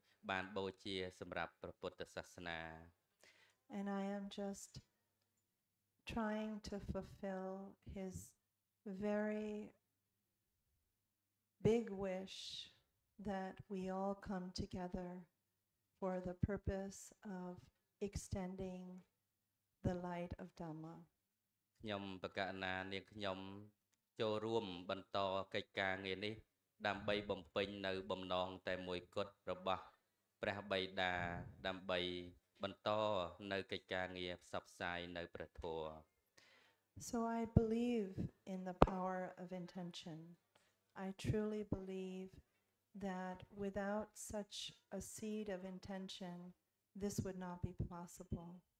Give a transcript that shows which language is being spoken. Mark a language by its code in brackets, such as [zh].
[km] ព្រះអង្គបានបូជាសម្រាប់ព្រះពុទ្ធសាសនា [en] And I am just trying to fulfill his very big wish that we all come together for the purpose of extending the light of Dhamma. [km] ខ្ញុំប្រកាសណានាងខ្ញុំចូលរួមបន្តកិច្ចការងារនេះដើម្បីបំពេញនៅបំណងតែមួយគត់របស់ព្រះបិតាដើម្បីបន្តនៅកិច្ចការងារផ្សព្វផ្សាយនៅព្រះធម៌. [en] So I believe in the power of intention. I truly believe that without such a seed of intention, this would not be possible.